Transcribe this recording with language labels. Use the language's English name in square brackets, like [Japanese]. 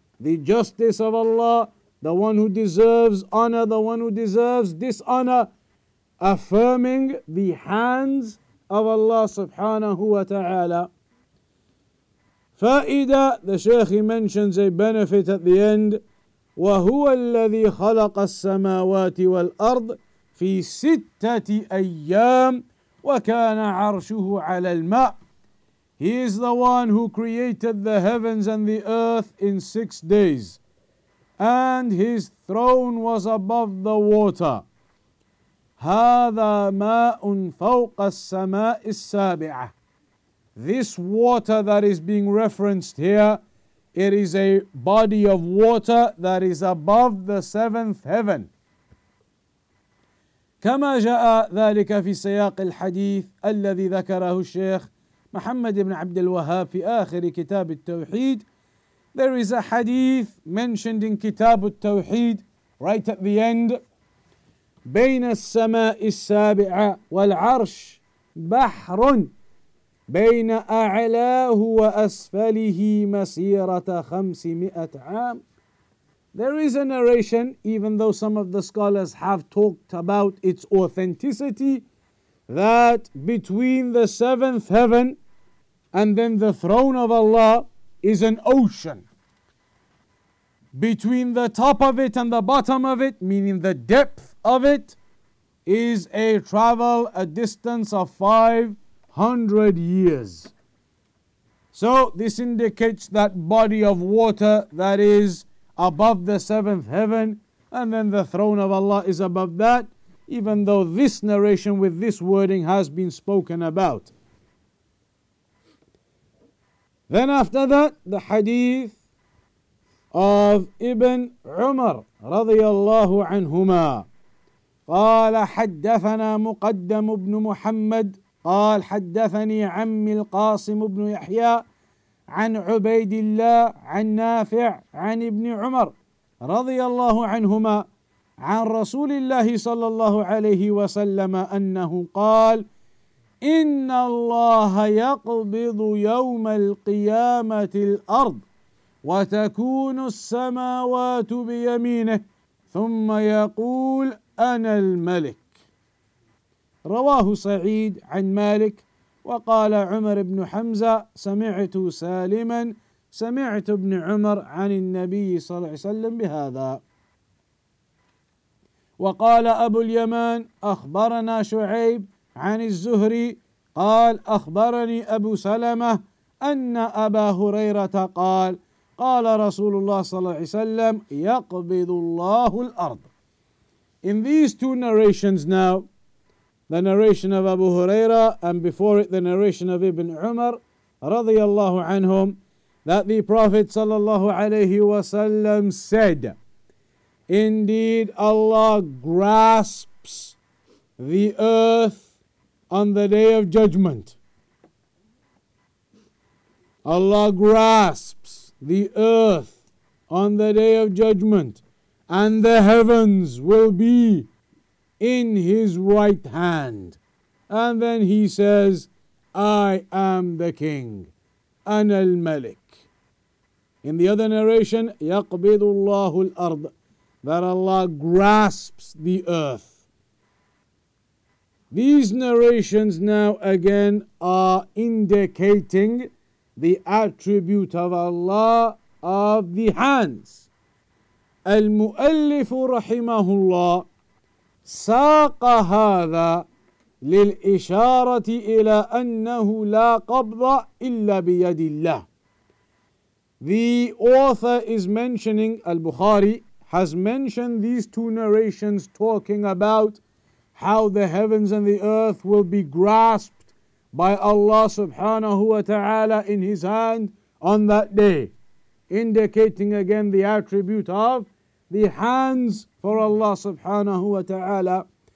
[English] The justice of Allah, the one who deserves honor, the one who deserves dishonor. Affirming the hands of Allah subhanahu wa ta'ala. Fa'ida, the Shaykh mentions a benefit at the end. [Arabic] وَهُوَ الَّذِي خَلَقَ السَّمَاوَاتِ وَالْأَرْضِ في ستة أيام وكان عرشه على الماء. [English] He is the one who created the heavens and the earth in 6 days, and his throne was above the water. [Arabic] هذا ماء فوق السماء السابعة. [English] This water that is being referenced here, it is a body of water that is above the seventh heaven. [Arabic] كما جاء ذلك في سياق الحديث الذي ذكره الشيخ Muhammad ibn Abdul Wahhab fi akhir kitab al-Tawheed. [English] There is a hadith mentioned in kitab al-Tawheed right at the end. [Arabic] بين السماء السابعة والعرش بحر بين أعلاه وأسفله مسيرة 500 عام. [English] There is a narration, even though some of the scholars have talked about its authenticity, that between the seventh heaven and then the throne of Allah is an ocean. Between the top of it and the bottom of it, meaning the depth of it, is a travel, a distance of 500 years. So this indicates that body of water that is above the seventh heaven, and then the throne of Allah is above that, even though this narration with this wording has been spoken about. Then after that, the hadith of Ibn Umar radiyallahu anhuma. [Arabic] قال حدثنا مقدم بن محمد قال حدثني عمي القاسم بن يحيى عن عبيد الله عن نافع عن ابن عمر رضي الله عنهما عن رسول الله صلى الله عليه وسلم أنه قال إن الله يقبض يوم القيامة الأرض وتكون السماوات بيمينه ثم يقول أنا الملك. رواه سعيد عن مالك وقال عمر بن حمزة سمعت سالما سمعت ابن عمر عن النبي صلى الله عليه وسلم بهذا. وقال أبو اليمان أخبرنا شعيب عن الزهري قال أخبرني أبو سلمة أن أبا هريرة قال قال رسول الله صلى الله عليه وسلم يقبض الله الأرض. [English] In these two narrations now, the narration of Abu Huraira and before it the narration of Ibn Umar radiyallahu anhum, that the Prophet sallallahu alayhi wasallam said, indeed Allah grasps the earth on the day of judgment. Allah grasps the earth on the day of judgment. And the heavens will be in his right hand. And then he says, I am the king. [Arabic] أنا الملك. [English] In the other narration, [Arabic] يقبض الله الأرض. [English] That Allah grasps the earth. These narrations now again are indicating the attribute of Allah of the hands. [Arabic] المؤلف رحمه الله ساق هذا للإشارة إلى أنه لا قبض إلا بيد الله. [English] The author is mentioning, al-Bukhari has mentioned these two narrations talking about how the heavens and the earth will be grasped by Allah subhanahu wa ta'ala in his hand on that day, indicating again the attribute of the hands for Allah subhanahu wa ta'ala.